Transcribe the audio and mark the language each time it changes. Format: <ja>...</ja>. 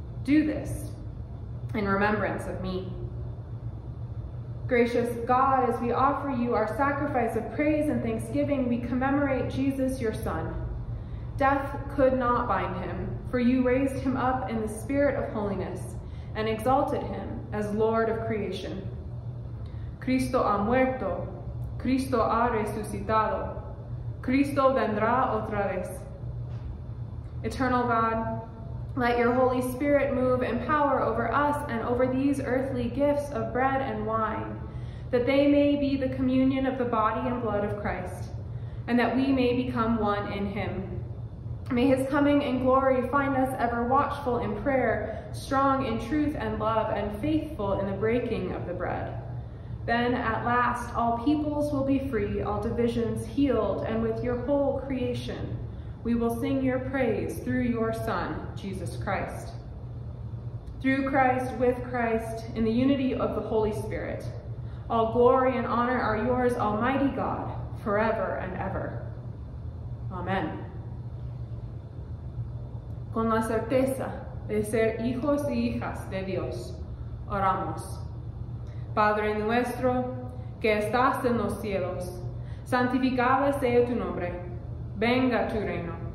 <en>Do this in remembrance of me." Gracious God, as we offer you our sacrifice of praise and thanksgiving, we commemorate Jesus, your Son. Death could not bind him, for you raised him up in the spirit of holiness and exalted him as Lord of creation.</en> <es>Cristo ha muerto, Cristo ha resucitado, Cristo vendrá otra vez.</es> <en>Eternal God, let your Holy Spirit move in power over us and over these earthly gifts of bread and wine, that they may be the communion of the body and blood of Christ, and that we may become one in him. May his coming in glory find us ever watchful in prayer, strong in truth and love, and faithful in the breaking of the bread. Then at last all peoples will be free, all divisions healed, and with your whole creation we will sing your praise through your Son, Jesus Christ. Through Christ, with Christ, in the unity of the Holy Spirit, all glory and honor are yours, Almighty God, forever and ever. Amen.</en> <es>Con la certeza de ser hijos y hijas de Dios, oramos. Padre nuestro, que estás en los cielos, santificado sea tu nombre. Venga tu reino.</es>